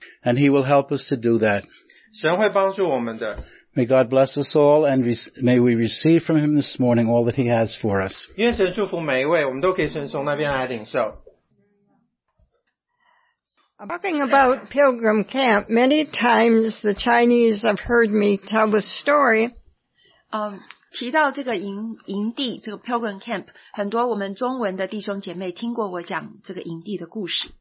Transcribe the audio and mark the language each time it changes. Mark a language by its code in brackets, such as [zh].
[en] And He will help us to do that. [zh] 神会帮助我们的。 [en] May God bless us all, and may we receive from Him this morning all that He has for us. [zh] 愿神祝福每一位，我们都可以从那边来领受。 [en] Talking about Pilgrim Camp, many times the Chinese have heard me tell the story. [zh] 提到这个营地，这个 Pilgrim Camp， 很多我们中文的弟兄姐妹听过我讲这个营地的故事。